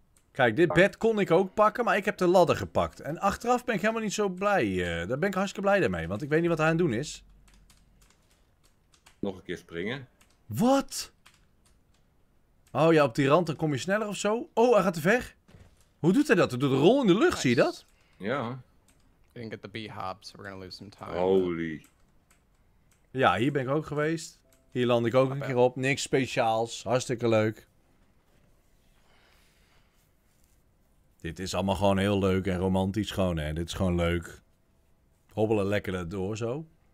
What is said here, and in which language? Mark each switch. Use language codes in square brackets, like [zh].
[nl] Kijk, dit bed kon ik ook pakken, maar ik heb de ladder gepakt. En achteraf ben ik helemaal niet zo blij. Daar ben ik hartstikke blij mee, want ik weet niet wat hij aan het doen is. Nog een keer springen. Wat? Oh ja, op die rand, dan kom je sneller of zo. Oh, hij gaat te ver. Hoe doet hij dat? Hij doet een rol in de lucht, nice. Zie je dat? Ja. [en] We didn't get the B-hop, so we're gonna lose some time. Holy. [nl] Ja, hier ben ik ook geweest. Hier land ik ook een keer op. Niks speciaals. Hartstikke leuk. Dit is allemaal gewoon heel leuk en romantisch gewoon, hè. Dit is gewoon leuk. Hobbelen lekker door zo.